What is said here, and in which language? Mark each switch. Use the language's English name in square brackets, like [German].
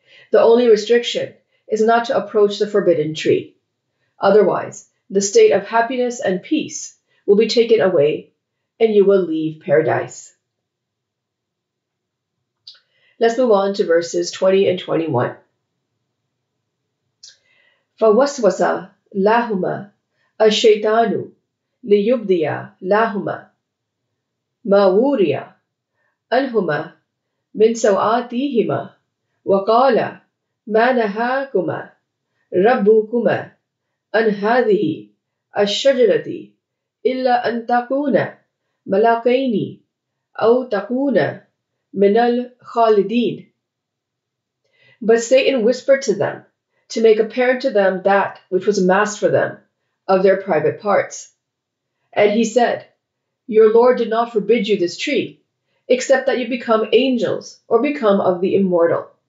[English] The only restriction is not to approach the forbidden tree. Otherwise, the state of happiness and peace will be taken away, and you will leave paradise. Let's move on to verses 20 and 21. [Arabic] فَوَسْوَسَ لَهُمَا الشَّيْطَانُ لِيُبْدِيَ لَهُمَا مَا وُرِيَ أَنْهُمَا مِنْ سَوْآتِهِمَا وَقَالَ مَا نَهَاكُمَا رَبُّكُمَا أَنْ هَذِهِ الشَّجَرَةِ إِلَّا أَنْ تَكُونَ مَلَكَيْنِ أَوْ تَكُونَ Minal Khalidin. [English] But Satan whispered to them to make apparent to them that which was masked for them of their private parts. And he said, Your Lord did not forbid you this tree, except that you become angels or become of the immortal.